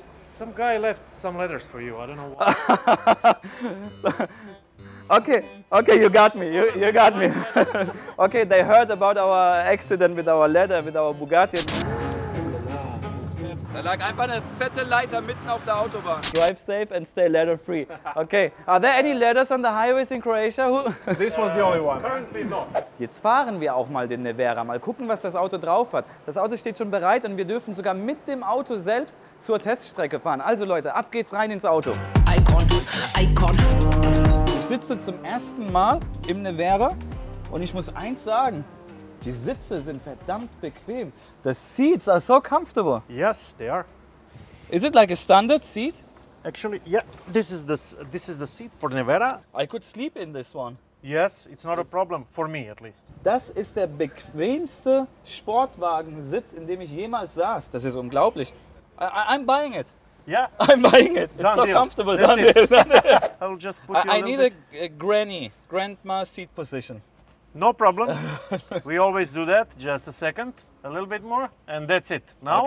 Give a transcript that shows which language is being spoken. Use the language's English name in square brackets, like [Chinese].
[English] Some guy left some letters for you. I don't know why. Okay, you got me, you got me. Okay, they heard about our accident with our ladder, with our Bugatti. [German] Da lag einfach eine fette Leiter mitten auf der Autobahn. [English] Drive safe and stay ladder free. Okay, are there any ladders on the highways in Croatia? This was the only one. Currently not. [German] Jetzt fahren wir auch mal den Nevera, mal gucken, was das Auto drauf hat. Das Auto steht schon bereit und wir dürfen sogar mit dem Auto selbst zur Teststrecke fahren. Also Leute, ab geht's rein ins Auto. Icon. Ich sitze zum ersten Mal im Nevera und ich muss eins sagen, die Sitze sind verdammt bequem. [English] The seats are so comfortable. Yes, they are. Is it like a standard seat? Actually, yeah, this is the seat for Nevera. I could sleep in this one. Yes, it's not a problem, for me at least. [German] Das ist der bequemste Sportwagensitz, in dem ich jemals saß. Das ist unglaublich. [English] I'm buying it. Yeah. I'm buying it. It's so comfortable. That's it. I will just put you I need a granny, grandma seat position. No problem. We always do that. Just a second. A little bit more. And that's it. Now?